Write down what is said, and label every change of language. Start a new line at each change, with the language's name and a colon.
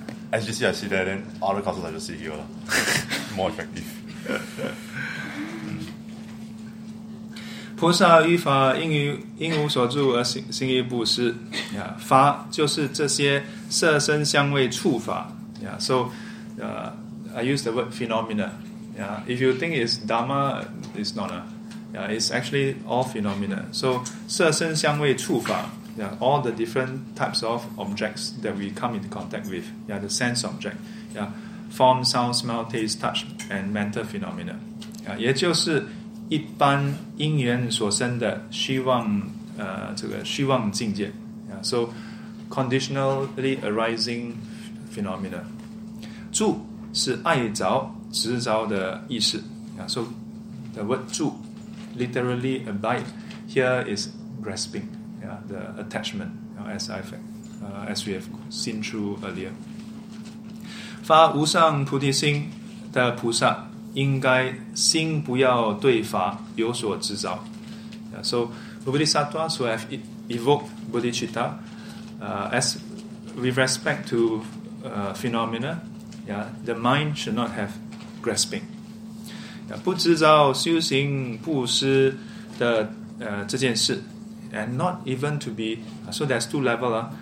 English: SGC I sit there, then other classes I just sit here. More effective.
Chinese: 菩萨于法应无所住而行于布施。法就是这些色身香味触法。
English: Yeah, so I use the word phenomena. Yeah, if you think it's Dharma, it's not. It's actually all phenomena. So
Chinese: 色身香味触法,
English: all the different types of objects that we come into contact with. Yeah, the sense object. Yeah, form, sound, smell, taste, touch, and mental phenomena.
Chinese: Yeah, 也就是一般因缘所生的希望, 这个希望境界.
English: Yeah, so conditionally arising phenomena.
Chinese: 住是爱着执着的意思。
English: So the word 住 literally abide here is grasping, the attachment, as we have seen through earlier.
Chinese: 发无上菩提心的菩萨应该心不要对法有所执着。
English: So, Bodhisattvas who have evoked bodhicitta, as with respect to phenomena, yeah, the mind should not have grasping.
Chinese: 不执着修行布施的这件事
English: and not even to be, so there's two levels.